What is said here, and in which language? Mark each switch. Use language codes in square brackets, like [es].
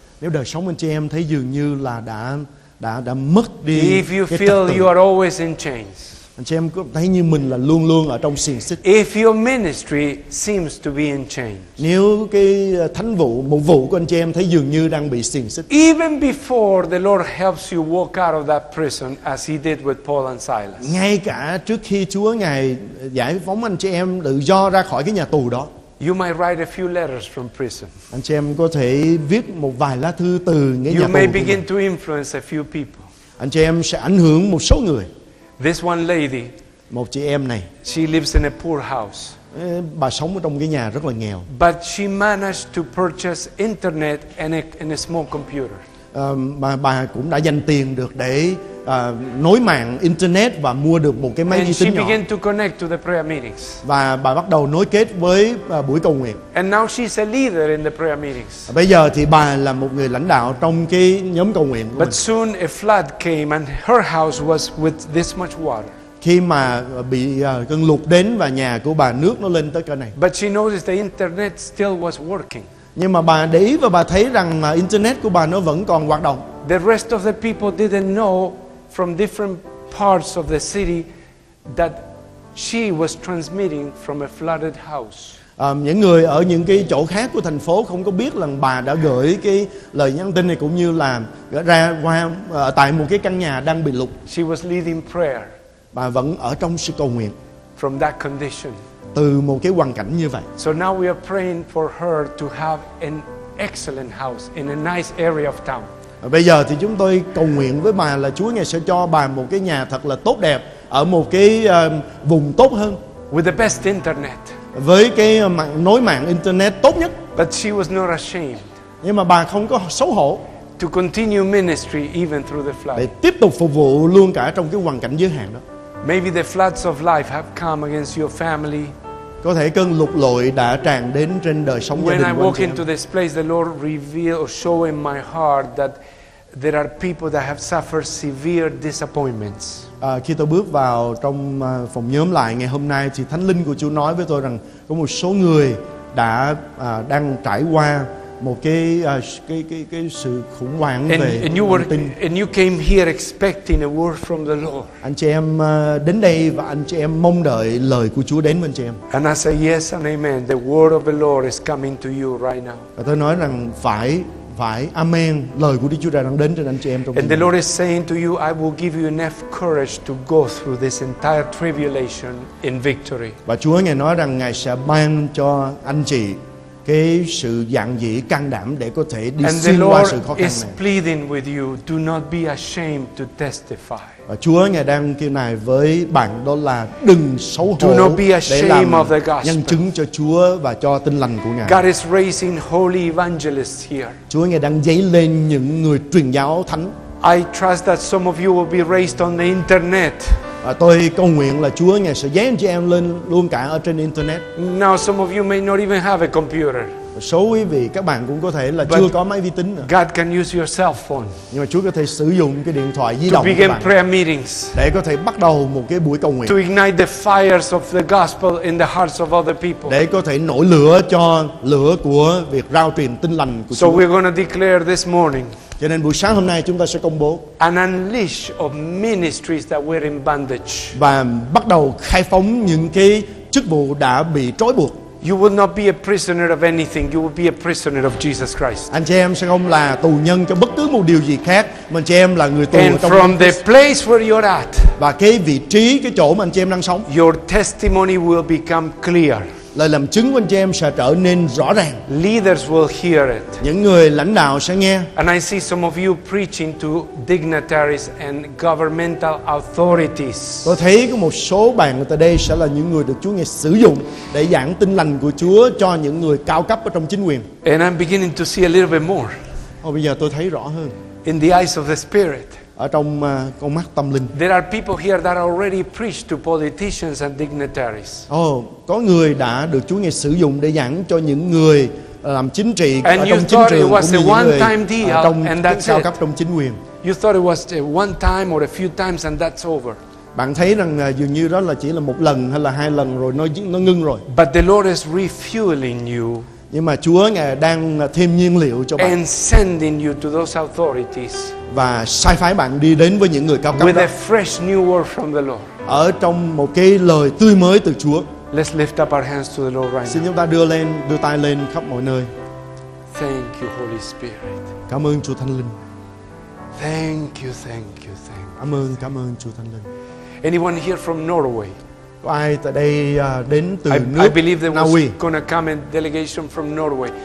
[vi] Nếu đời sống anh chị em thấy dường như là đã mất đi. [en] If you feel you are always in chains. [vi] Anh chị em có thấy như mình là luôn luôn ở trong xiềng xích. [en] If your ministry seems to be in chains. [vi] Nếu cái thánh vụ, một vụ của anh chị em thấy dường như đang bị xiềng xích. [en] Even before the Lord helps you walk out of that prison as he did with Paul and Silas. [vi] Ngay cả trước khi Chúa Ngài giải phóng anh chị em tự do ra khỏi cái nhà tù đó. [en] You might write a few letters from prison. [vi] Anh chị em có thể viết một vài lá thư từ nhà tù. [en] You may begin to influence a few people. [vi] Anh chị em sẽ ảnh hưởng một số người. [en] This one lady, [vi] một chị em này, [en] she lives in a poor house. [vi] Bà sống ở trong cái nhà rất là nghèo. [en] But she managed to purchase internet and a small computer. [vi] Bà cũng đã dành tiền được để nối mạng internet và mua được một cái máy [en] and [vi] vi tính [en] she began [vi] nhỏ. [en] To connect to the prayer meetings. [vi] Và bà bắt đầu nối kết với buổi cầu nguyện. [en] And now she's a leader in the prayer meetings. [vi] Bây giờ thì bà là một người lãnh đạo trong cái nhóm cầu nguyện của [en] But [vi] mình. [en] Soon a flood came and her house was with this much water. [vi] Khi mà bị cơn lụt đến và nhà của bà nước nó lên tới cỡ này. [en] But she noticed the internet still was working. [vi] Nhưng mà bà để ý và bà thấy rằng mà internet của bà nó vẫn còn hoạt động. [en] The rest of the people didn't know from different parts of the city that she was transmitting from a flooded house. [vi] Những người ở những cái chỗ khác của thành phố không có biết rằng bà đã gửi cái lời nhắn tin này cũng như là ra qua tại một cái căn nhà đang bị lụt. [en] She was leading prayer. [vi] Bà vẫn ở trong sự cầu nguyện. [en] From that condition. [vi] Từ một cái hoàn cảnh như vậy. [en] So now we are praying for her to have an excellent house in a nice area of town. [vi] Bây giờ thì chúng tôi cầu nguyện với bà là Chúa ngài sẽ cho bà một cái nhà thật là tốt đẹp ở một cái vùng tốt hơn. [en] With the best internet. [vi] Với cái mạng nối mạng internet tốt nhất. [en] But she was not ashamed. [vi] Nhưng mà bà không có xấu hổ. [en] To continue ministry even through the flood. [vi] Để tiếp tục phục vụ luôn cả trong cái hoàn cảnh giới hạn đó. [en] Maybe the floods of life have come against your family. [vi] Có thể cơn lụt lội đã tràn đến trên đời sống [en] When [vi] gia đình [en] I walk into this place, the Lord revealed or showed in my heart that there are people that have suffered severe disappointments. [vi] Khi tôi bước vào trong phòng nhóm lại ngày hôm nay, thì Thánh Linh của Chúa nói với tôi rằng có một số người đã đang trải qua một cái sự khủng hoảng [en] and you came here expecting a word from the Lord. [vi] Anh chị em đến đây và anh chị em mong đợi lời của Chúa đến với anh chị em. [en] And I say yes and amen. The word of the Lord is coming to you right now. [vi] Và tôi nói rằng phải amen, lời của Đức Chúa đang đến trên anh chị em trong [en] And the Lord is saying to you, I will give you enough courage to go through this entire tribulation in victory. [vi] Và Chúa ngài nói rằng ngài sẽ ban cho anh chị cái sự dạn dĩ can đảm để có thể đi xuyên qua sự khó khăn này. [en] And the Lord is pleading with you, do not be ashamed to testify. [vi] Và Chúa ngài đang kêu này với bạn đó là đừng xấu hổ. [en] Do not be ashamed of the gospel. [vi] Nhân chứng cho Chúa và cho tin lành của ngài. [en] God is raising holy evangelists here. [vi] Chúa ngài đang dấy lên những người truyền giáo thánh. [en] I trust that some of you will be raised on the internet. [vi] Tôi cầu nguyện là Chúa ngài sẽ dán cho em lên luôn cả ở trên internet. [en] Now some of you may not even have a computer. [vi] Số quý vị các bạn cũng có thể là chưa có máy vi tính nữa. [en] God can use your cell phone. [vi] Nhưng mà Chúa có thể sử dụng cái điện thoại di động của bạn. [en] To begin prayer meetings. [vi] Để có thể bắt đầu một cái buổi cầu nguyện. [en] To ignite the fires of the gospel in the hearts of other people. [vi] Để có thể nổi lửa cho lửa của việc rao truyền tin lành của Chúa. [en] So we're going to declare this morning. [vi] Cho nên buổi sáng hôm nay chúng ta sẽ công bố [en] an unleash of ministries that were in bondage. [vi] Và bắt đầu khai phóng những cái chức vụ đã bị trói buộc. [en] You will not be a prisoner of anything. You will be a prisoner of Jesus Christ. [vi] Anh chị em sẽ không là tù nhân cho bất cứ một điều gì khác. Mà anh chị em là người tù [en] And [vi] trong [en] from the place where you're at. [vi] Và cái vị trí, cái chỗ mà anh chị em đang sống. [en] Your testimony will become clear. [vi] Lời làm chứng của anh chị em sẽ trở nên rõ ràng. [en] Leaders will hear it. [vi] Những người lãnh đạo sẽ nghe. [en] And I see some of you preaching to dignitaries and governmental authorities. [vi] Tôi thấy có một số bạn ở đây sẽ là những người được Chúa ngài sử dụng để giảng tin lành của Chúa cho những người cao cấp ở trong chính quyền. [en] And I'm beginning to see a little bit more. [vi] Bây giờ tôi thấy rõ hơn. [en] In the eyes of the Spirit. [vi] Ở trong con mắt tâm linh. [en] There are people here that already preach to politicians and dignitaries. [vi] Có người đã được Chúa ngài sử dụng để giảng cho những người làm chính trị [en] and [vi] ở trong chính trường cũng như những người trong [en] and [vi] cao [en] that's [vi] cấp trong chính quyền. [en] You thought it was one time or a few times and that's over. [vi] Bạn thấy rằng dường như đó là chỉ là một lần hay là hai lần rồi nó ngưng rồi. [en] But the Lord is refueling you. [vi] Nhưng mà Chúa ngài đang thêm nhiên liệu cho bạn. [en] And sending you to those authorities. [vi] Và sai phái bạn đi đến với những người cao cấp [en] with a fresh new word from the Lord. [vi] Ở trong một cái lời tươi mới từ Chúa. [en] Let's lift up our hands to the Lord right now. [vi] Xin chúng ta đưa tay lên khắp mọi nơi. [en] Thank you, Holy Spirit. [vi] Cảm ơn Chúa Thánh Linh. [en] Thank you, thank you, thank you. [vi] Cảm ơn Chúa Thánh Linh. [en] Anyone here from Norway? [vi] Có ai tại đây đến từ nước [en] I believe there was going to come a delegation from Norway.